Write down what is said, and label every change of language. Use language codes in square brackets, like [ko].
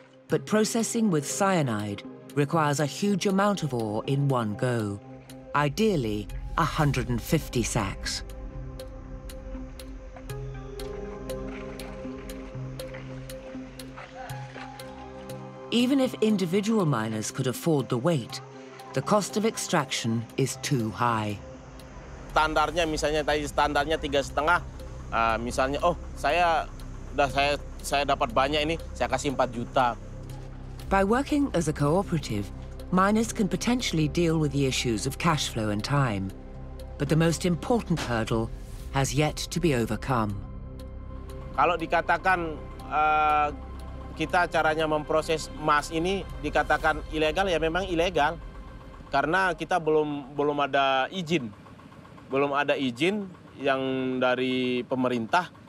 [en] But processing with cyanide requires a huge amount of ore in one go, ideally 150 sacks. Even if individual miners could afford the weight, the cost of extraction is too high. [id] Standarnya misalnya tadi standarnya 3,5, misalnya saya dapat banyak ini, saya kasih 4 juta. [en] By working as a cooperative, miners can potentially deal with the issues of cash flow and time. But the most important hurdle has yet to be overcome. [id] Kalau dikatakan kita caranya memproses emas ini dikatakan ilegal, ya memang ilegal. Karena kita belum ada izin. Belum ada izin yang dari pemerintah.